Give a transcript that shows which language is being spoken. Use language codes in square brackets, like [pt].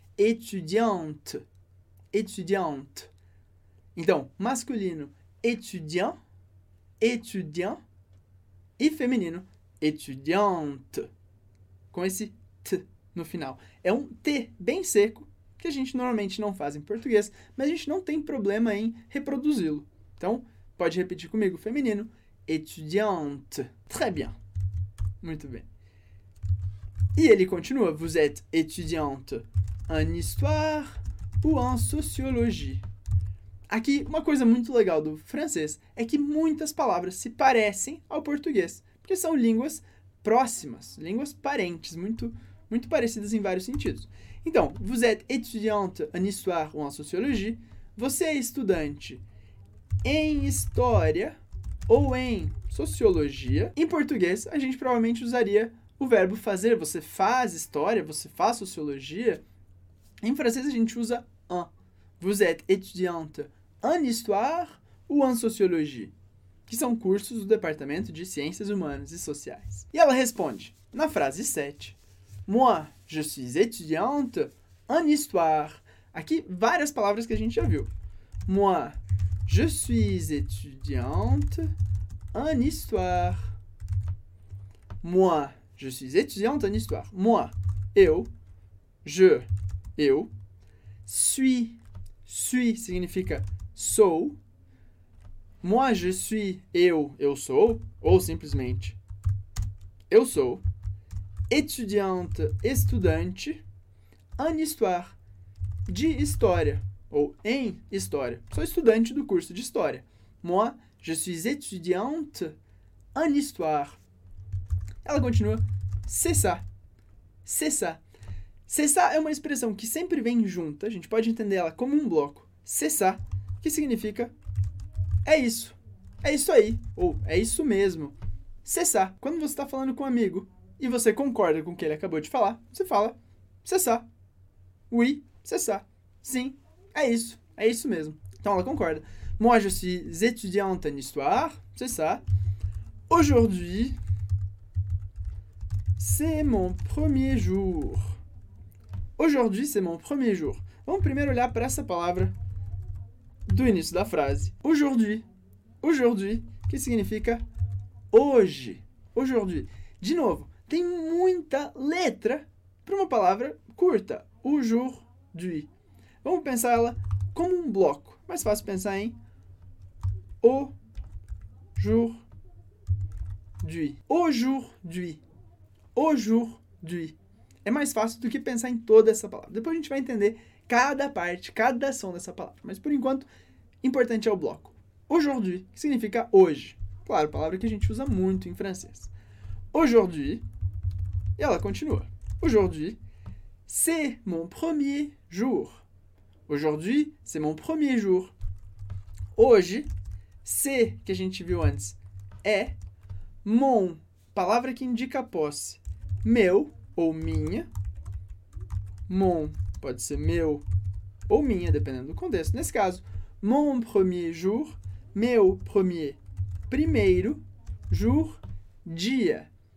[pt] Étudiante, étudiante. Então, masculino, étudiant, étudiant, e feminino, étudiante, com esse T no final. É um T bem seco, que a gente normalmente não faz em português, mas a gente não tem problema em reproduzi-lo. Então, pode repetir comigo, feminino, étudiante. [fr] Très bien. [pt] Muito bem. E ele continua, [fr] vous êtes étudiante en histoire ou en sociologie? Aqui, uma coisa muito legal do francês é que muitas palavras se parecem ao português, porque são línguas próximas, línguas parentes, muito, muito parecidas em vários sentidos. [pt] Então, [fr] vous êtes étudiante en histoire ou en sociologie? [pt] Você é estudante em história ou em sociologia? Em português, a gente provavelmente usaria o verbo fazer. Você faz história, você faz sociologia. Em francês, a gente usa en. [fr] Vous êtes étudiante en histoire ou en sociologie? [pt] Que são cursos do Departamento de Ciências Humanas e Sociais. E ela responde, na frase 7, [fr] moi, je suis étudiante en histoire. [pt] Aqui, várias palavras que a gente já viu. [fr] Moi, je suis étudiante en histoire. Moi, je suis étudiante en histoire. [pt] Moi, eu, je, eu, suis, suis significa sou. Moi, je suis, eu sou, ou simplesmente, eu sou. Étudiante, estudante, en histoire, de história, ou em história. Sou estudante do curso de história. [fr] Moi, je suis étudiante en histoire. [pt] Ela continua, [fr] c'est ça, c'est ça. [pt] C'est ça é uma expressão que sempre vem junta, a gente pode entender ela como um bloco. C'est ça, que significa, é isso aí, ou é isso mesmo. C'est ça, quando você está falando com um amigo e você concorda com o que ele acabou de falar, você fala, [fr] c'est ça, oui, c'est ça, [pt] sim, é isso mesmo. Então ela concorda. [fr] Moi, je suis étudiante en histoire, c'est ça. Aujourd'hui, c'est mon premier jour. Aujourd'hui, c'est mon premier jour. [pt] Vamos primeiro olhar para essa palavra do início da frase. Aujourd'hui. Aujourd'hui, que significa hoje. Aujourd'hui. De novo, tem muita letra para uma palavra curta. Aujourd'hui. Vamos pensar ela como um bloco. Mais fácil pensar em aujourd'hui. [fr] Aujourd'hui. Aujourd'hui. [pt] É mais fácil do que pensar em toda essa palavra. Depois a gente vai entender cada parte, cada som dessa palavra. Mas, por enquanto, importante é o bloco. Aujourd'hui, que significa hoje. Claro, palavra que a gente usa muito em francês. Aujourd'hui, e ela continua. [fr] Aujourd'hui, c'est mon premier jour. Aujourd'hui, c'est mon premier jour. [pt] Hoje, c'est, que a gente viu antes, é mon, palavra que indica posse. Meu ou minha, mon pode ser meu ou minha, dependendo do contexto. Nesse caso, [fr] mon premier jour, [pt] meu premier, primeiro, jour, dia.